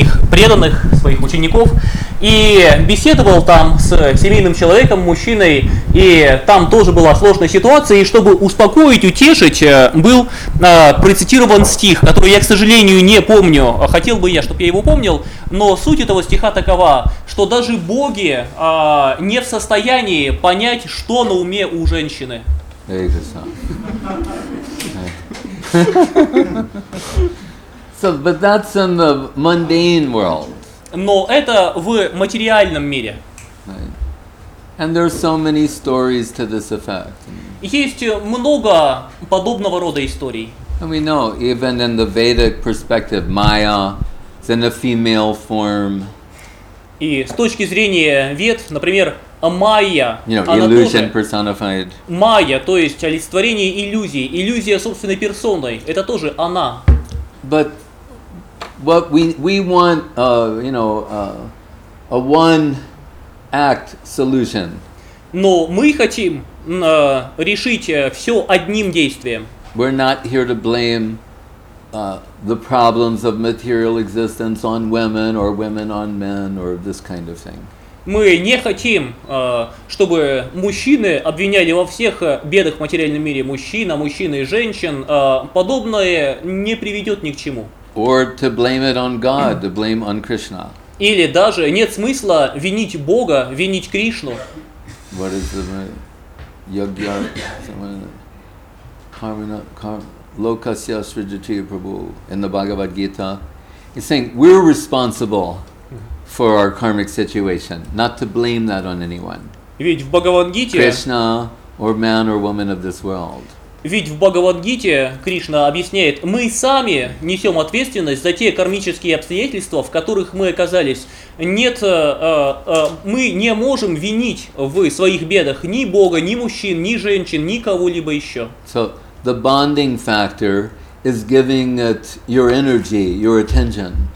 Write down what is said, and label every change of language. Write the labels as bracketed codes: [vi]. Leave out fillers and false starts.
[ru] преданных своих учеников и беседовал там с семейным человеком, мужчиной, и там тоже была сложная ситуация, и чтобы успокоить, утешить, был процитирован стих, который я, к сожалению, не помню, хотел бы я, чтобы я его помнил, но суть этого стиха такова, что даже боги не в состоянии понять, что на уме у женщины. [en] So, but that's in the mundane world. [ru] Но это в материальном мире. [en] Right. And there are so many stories to this effect. [ru] Есть много подобного рода историй. [en] And we know, even in the Vedic perspective, Maya is in a female form. [ru] И с точки зрения Вед, например, Майя, [en] you know, illusion personified. [ru] Майя, то есть олицетворение иллюзии, иллюзия собственной персоной, это тоже она. [en] But what we want, you know, a one act solution. [ru] Но мы хотим решить все одним действием. [en] We're not here to blame the problems of material existence on women or women on men or this kind of thing. [ru] Мы не хотим, чтобы мужчины обвиняли во всех бедах в материальном мире мужчин, а мужчин и женщин. Подобное не приведет ни к чему. [en] Or to blame it on God, to blame on Krishna. [ru] Или даже нет смысла винить Бога, винить Кришну. [en] What is the yagya? Someone [sa] karma lokasya srijati prabhu [en] in the Bhagavad Gita. He's saying we're responsible for our karmic situation, not to blame that on anyone. [ru] Ведь в Бхагавад-гите [en] Krishna or man or woman of this world. [ru] Ведь в Бхагавад-гите Кришна объясняет, мы сами несем ответственность за те кармические обстоятельства, в которых мы оказались. Нет, мы не можем винить в своих бедах ни Бога, ни мужчин, ни женщин, ни кого-либо еще. [en] So the bonding factor is giving it your energy, your attention.